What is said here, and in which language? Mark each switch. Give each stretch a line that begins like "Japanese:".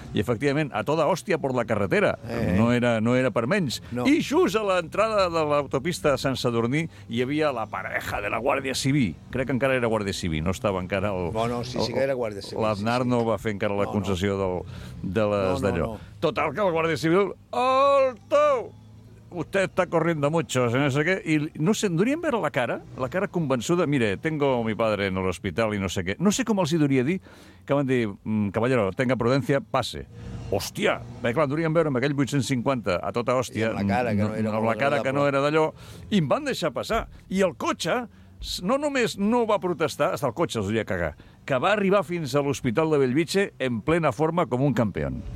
Catalan: I, efectivament, a toda hòstia per la carretera. No era per menys. No. I just a l'entrada de l'autopista Sant Sadurní hi havia la pareja de la Guàrdia Civil. Crec que encara era Guàrdia Civil, no estava encara el... Bueno, sí, sí que era Guàrdia Civil. L'Aznar sí, sí. No va fer encara la concessió d'allò. No. Total, que la Guàrdia Civil...
Spanish: Alto! Usted está corriendo mucho, no sé qué. Y no sé,
Catalan: ¿durien ver la cara convençuda?
Spanish: Mire, tengo a mi padre en el hospital y no sé qué.
Catalan: No sé com els hi duria dir, que van dir,
Spanish: caballero, tenga prudencia, pase.
Catalan: Hòstia! Bé, clar, durien veure amb aquell 850 a tota hòstia. I amb la cara, que no era, la cara que no era d'allò. I em van deixar passar. I el cotxe, no només no va protestar, hasta el cotxe els volia cagar, que va arribar fins a l'hospital de Bellvitge en plena forma com un campeón.